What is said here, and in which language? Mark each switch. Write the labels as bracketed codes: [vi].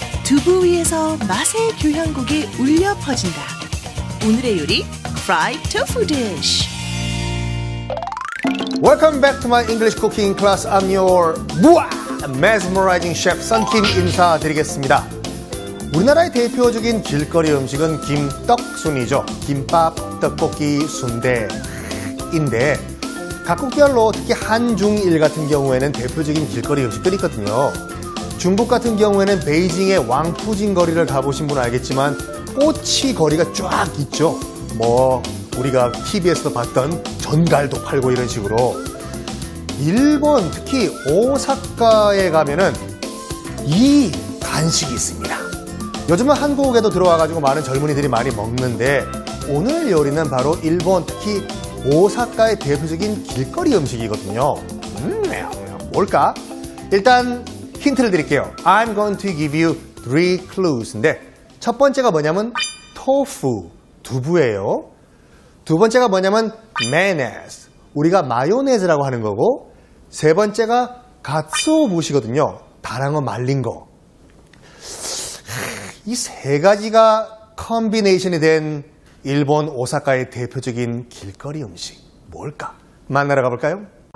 [ko] 두부 위에서 맛의 교향곡이 울려 퍼진다. 오늘의 요리, [en] fried tofu dish. Welcome back to my English cooking class. I'm your mesmerizing chef, Sun Kim [ko] 인사드리겠습니다. 우리나라의 대표적인 길거리 음식은 김떡순이죠. 김밥, 떡볶이, 순대인데 각국별로 특히 한중일 같은 경우에는 대표적인 길거리 음식들이 있거든요. 중국 같은 경우에는 베이징의 왕푸징 거리를 가보신 분 알겠지만 꼬치 거리가 쫙 있죠. 뭐 우리가 TV에서 봤던 전갈도 팔고 이런 식으로. 일본 특히 오사카에 가면은 이 간식이 있습니다. 요즘은 한국에도 들어와가지고 많은 젊은이들이 많이 먹는데 오늘 요리는 바로 일본 특히 오사카의 대표적인 길거리 음식이거든요. 뭘까? 일단 힌트를 드릴게요. [en] I'm going to give you three clues인데 [ko] 첫 번째가 뭐냐면 토프, 두부예요. 두 번째가 뭐냐면 mayonnaise, 우리가 마요네즈라고 하는 거고 세 번째가 가츠오부시거든요. 다랑어 말린 거. 이 세 가지가 컨비네이션이 된 일본 오사카의 대표적인 길거리 음식 뭘까? 만나러 가볼까요?